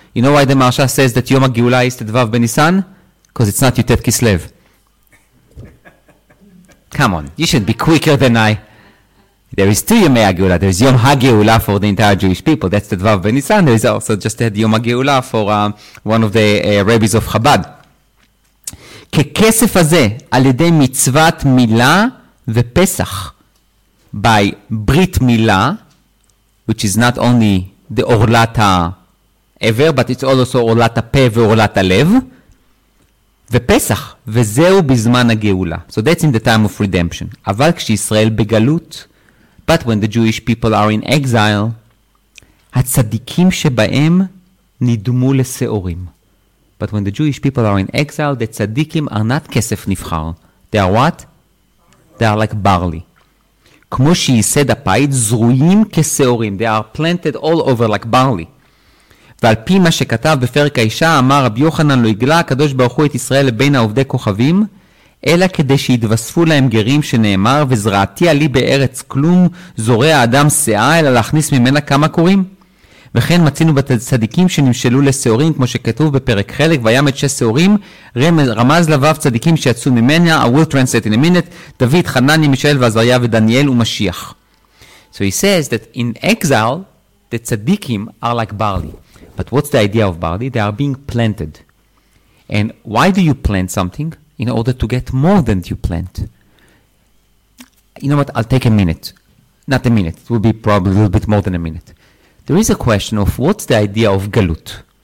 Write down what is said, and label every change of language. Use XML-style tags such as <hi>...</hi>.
<en>You know why the Maharsha says that yom ha-geula is tetvav benisan? Because it's not yutet kislev. Come on, you should be quicker than I. There is two Yomei HaGeulah. There is Yom HaGeulah for the entire Jewish people. That's the Tvav Benisan. There is also just the Yom HaGeulah for one of the rabbis of Chabad.</en> <he>ככסף הזה על ידי מצוות מילה ופסח.</he> <en>By</en> <he>ברית מילה,</he> <en>which is not only the</en> <he>עורלת העבר,</he> <en>but it's also</en> <he>עורלת הפה ועורלת הלב, ופסח, וזהו בזמן הגאולה.</he> <en>So that's in the time of redemption.</en> <he>אבל כשישראל בגלות,</he> <en>but when the Jewish people are in exile,</en> <he>הצדיקים שבהם נדמו לסעורים.</he> <en>But when the Jewish people are in exile, the tzaddikim are not כסף נבחר. They are what? They are like barley.</en> <he>כמו שיסד הפית, זרועים כסעורים.</he> <en>They are planted all over like barley.</en> <he>ועל פי מה שכתב בפרק האישה, אמר רבי יוחנן, לא הגלה הקדוש ברוך הוא את ישראל לבין העובדי כוכבים, אלא כדי שיתווספו להם גרים שנאמר, וזרעתי עלי בארץ כלום, זורע אדם שאה, אלא להכניס ממנה כמה קורים. וכן מצינו בצדיקים שנמשלו לסעורים, כמו שכתוב בפרק חלק, והיה מת שש סעורים, רמז לבב צדיקים שיצאו ממנה,</he> <en>I will translate in a minute,</en> <he>דוד, חנניה, מישאל ועזריה ודניאל ומשיח.</he> <en>So he says that in exile, the tzaddikim are like barley. But what's the idea of barley? They are being planted. And why do you plant something? In order to get more than you plant. You know what? I'll take a minute. Not a minute. It will be probably a little bit more than a minute. There is a question of what's the idea of galut?</en>